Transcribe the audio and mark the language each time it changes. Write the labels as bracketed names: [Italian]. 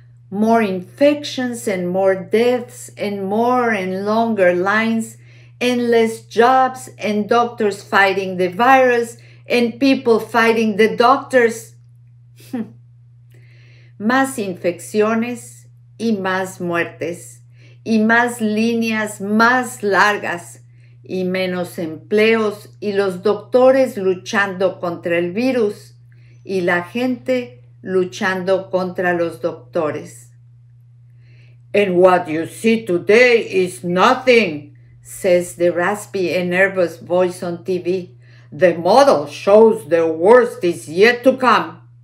[English] More infections and more deaths and more and longer lines and less jobs and doctors fighting the virus and people fighting the doctors. [Spanish] Más infecciones y más muertes y más líneas más largas y menos empleos y los doctores luchando contra el virus y la gente luchando contra los doctores. [English] And what you see today is nothing, says the raspy and nervous voice on TV. The model shows the worst is yet to come.